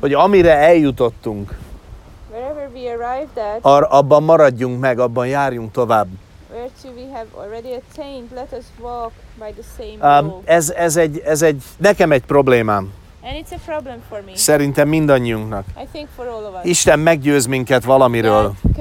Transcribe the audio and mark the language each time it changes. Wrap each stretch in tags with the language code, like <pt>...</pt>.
<hu>hogy amire eljutottunk,</hu> <en>wherever we arrived at,</en> <hu>abban maradjunk meg, abban járjunk tovább.</hu> <en>Where to we have already attained, let us walk by the same goal.</en> <hu>Ez egy nekem egy problémám.</hu> <en>And it's a problem for me.</en> <hu>Szerintem mindannyiunknak.</hu> <en>I think for all of us.</en> <hu>Isten meggyőz minket valamiről.</hu>